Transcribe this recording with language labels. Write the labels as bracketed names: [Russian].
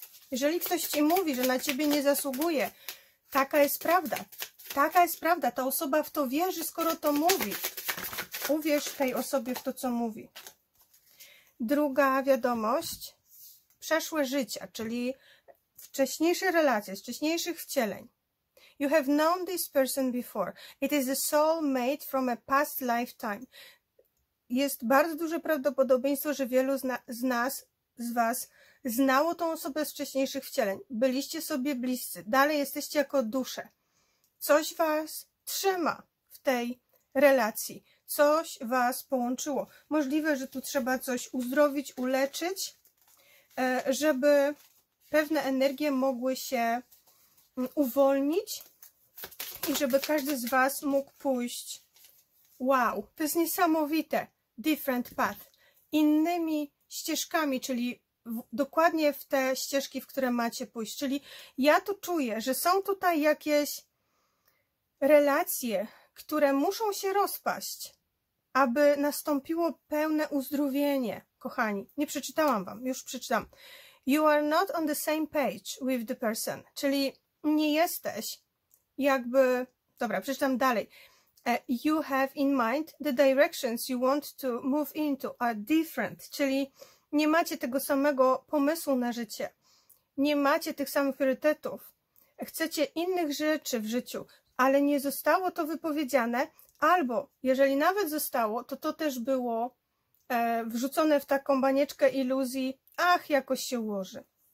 [Polish] Jeżeli ktoś ci mówi, że na ciebie nie zasługuje, taka jest prawda. Taka jest prawda. Ta osoba w to wierzy, skoro to mówi. Uwierz tej osobie w to, co mówi. Druga wiadomość. Przeszłe życia, czyli wcześniejsze relacje, z wcześniejszych wcieleń. [English] You have known this person before. It is a soulmate from a past lifetime. [Polish] Jest bardzo duże prawdopodobieństwo, że wielu z nas, z was, znało tą osobę z wcześniejszych wcieleń. Byliście sobie bliscy. Dalej jesteście jako dusze. Coś was trzyma w tej relacji. coś was połączyło. Możliwe, że tu trzeba coś uzdrowić, uleczyć, żeby pewne energie mogły się uwolnić i żeby każdy z was mógł pójść. Wow, to jest niesamowite. [English] Different path. [Polish] Innymi ścieżkami, czyli dokładnie w te ścieżki, w które macie pójść. Czyli ja tu czuję, że są tutaj jakieś relacje, które muszą się rozpaść, aby nastąpiło pełne uzdrowienie. Kochani, nie przeczytałam wam, już przeczytam. [English] You are not on the same page with the person. [Polish] Czyli nie jesteś jakby... Dobra, przeczytam dalej. [English] You have in mind the directions you want to move into are different. [Polish] Czyli nie macie tego samego pomysłu na życie. Nie macie tych samych priorytetów. Chcecie innych rzeczy w życiu, ale nie zostało to wypowiedziane, albo jeżeli nawet zostało, to to też było wrzucone w taką banieczkę iluzji, ach, jakoś się ułoży.